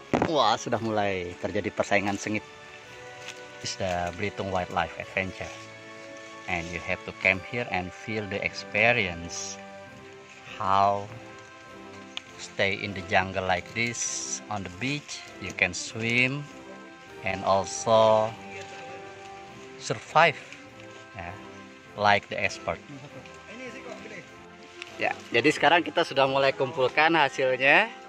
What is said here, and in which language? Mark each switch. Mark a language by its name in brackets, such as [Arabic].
[Indonesian] Wah, sudah mulai terjadi persaingan sengit. [English] It's the Belitung Wildlife Adventure. And you have to come here and feel the experience. How stay in the jungle like this on the beach. You can swim and also survive, yeah, like the expert. [Indonesian] Ya, jadi sekarang kita sudah mulai kumpulkan hasilnya.